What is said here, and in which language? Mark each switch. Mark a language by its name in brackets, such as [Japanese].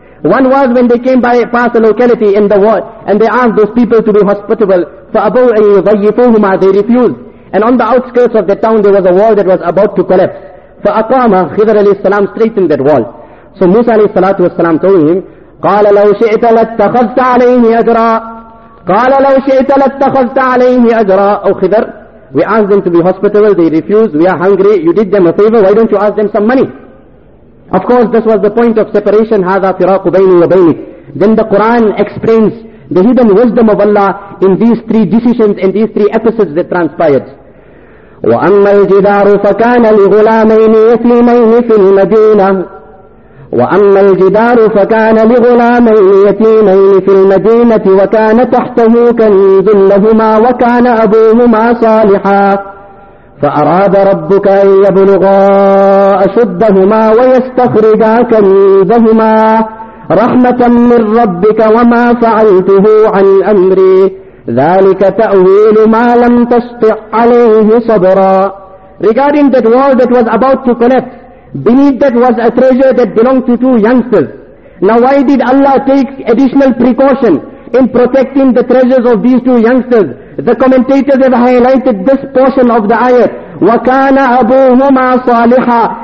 [English] One was when they came by past the locality in the ward, and they asked those people to be hospitable. [Arabic] فَأَبَوْ أَن يُضَيِّفُوهُمَا. [English] They refused. And on the outskirts of the town, there was a wall that was about to collapse. [Arabic] فَأَقَامَ. [English] Khidr alayhi salam straightened that wall. So Musa alayhi salatu wasalam told him, [Arabic] قَالَ لَوْ شِئْتَ لَاتَّخَذْتَ عَلَيْهِ أَجْرًا. قال لو شئت لاتخذت عليه أجرا. أو خضر, [English] we asked them to be hospitable, they refused, we are hungry, you did them a favor, why don't you ask them some money? Of course, this was the point of separation. [Arabic] هذا فراق بيني وبينك. [English] Then the Quran explains the hidden wisdom of Allah in these three decisions and these three episodes that transpired. [Arabic] وأما الجدار فكان لغلامين يتيمين في المدينة. وأما الجدار فكان لغلامين يتيمين في المدينة وكان تحته كنز لهما وكان أبوهما صالحا فأراد ربك أن يبلغا أشدهما ويستخرجا كنزهما رحمة من ربك وما فعلته عن أمري ذلك تأويل ما لم تسطع عليه صبرا. [English] Regarding that wall that was about to collapse, beneath that was a treasure that belonged to two youngsters. Now why did Allah take additional precaution in protecting the treasures of these two youngsters? The commentators have highlighted this portion of the ayat. [Arabic] وَكَانَ أَبُوهُمَا صَالِحًا.